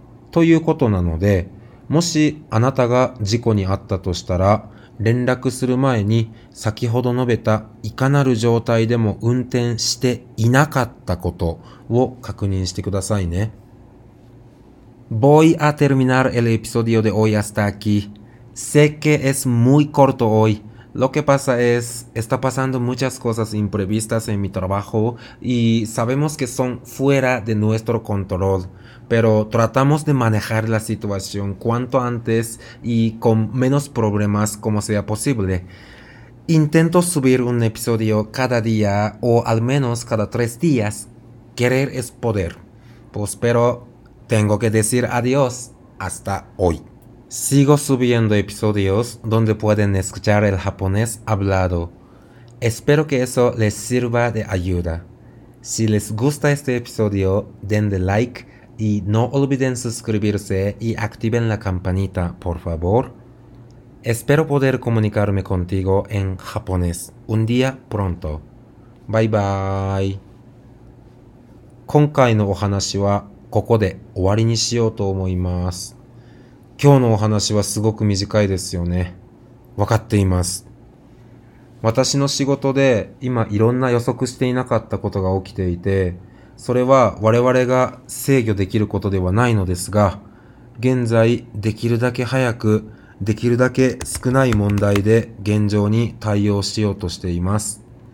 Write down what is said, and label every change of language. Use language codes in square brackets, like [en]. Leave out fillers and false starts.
[ja] ということなので、もしあなたが事故に遭ったとしたら、連絡する前に先ほど述べたいかなる状態でも運転していなかったことを確認してくださいね。 [es] Voy a terminar el episodio de hoy hasta aquí. Sé que es muy corto hoy. Lo que pasa es, está pasando muchas cosas imprevistas en mi trabajo y sabemos que son fuera de nuestro control, pero tratamos de manejar la situación cuanto antes y con menos problemas como sea posible. Intento subir un episodio cada día o al menos cada 3 días. Querer es poder. Pues pero... Tengo que decir adiós hasta hoy. Sigo subiendo episodios donde pueden escuchar el japonés hablado. Espero que eso les sirva de ayuda. Si les gusta este episodio, denle like y no olviden suscribirse y activen la campanita, por favor. Espero poder comunicarme contigo en japonés un día pronto. [en] Bye bye. [ja] 今回のお話はここで終わりにしようと思います。今日のお話はすごく短いですよね。わかっています。私の仕事で今いろんな予測していなかったことが起きていて、それは我々が制御できることではないのですが、現在できるだけ早く、できるだけ少ない問題で現状に対応しようとしています。